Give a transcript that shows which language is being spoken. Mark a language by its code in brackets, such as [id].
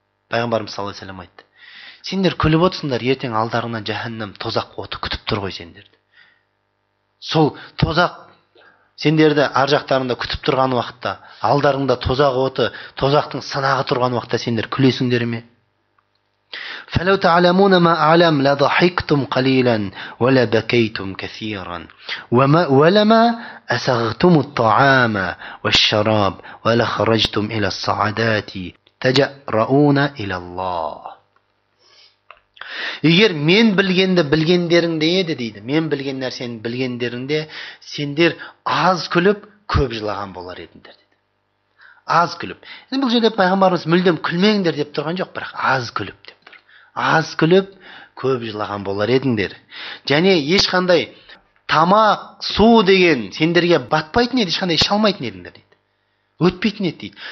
[kk] Пайғамбарымыз саллаллаһу алейһи уассалам айтты: сендер күліп отырсыңдар, ертең алдарыңнан жаһаннам тозақ оты күтіп тұр ғой сендерді. Сол тозақ сендерді ар жақтарында күтіп тұрған уақытта, алдарыңда тозақ оты, тозақтың сынағы тұрған уақытта сендер күлесіңдер ме? [ar] فلو تعلمون ما اعلم لضحكتم قليلا ولا بكيتم كثيرا وما ولما اسغتم الطعام والشراب ولا خرجتم الى الصعدات تجرؤون الى الله. [kk] Егер мен білгенді білгендеріңде еді дейді, мен білген нәрсені білгендеріңде сендер аз күліп көп жылаған болар едіңдер дейді. Аз күліп. Енді бұл жерде пайғамбарымыз мүлдем күлмеңдер деп тұрған жоқ, бірақ аз күліп деп. Аз күліп көп жылаған болар едіңдер. Және ешқандай тамақ, су деген сендерге батпайтын еді, ешқандай іше алмайтын едіңдер дейді. Өтпейтін еді дейді.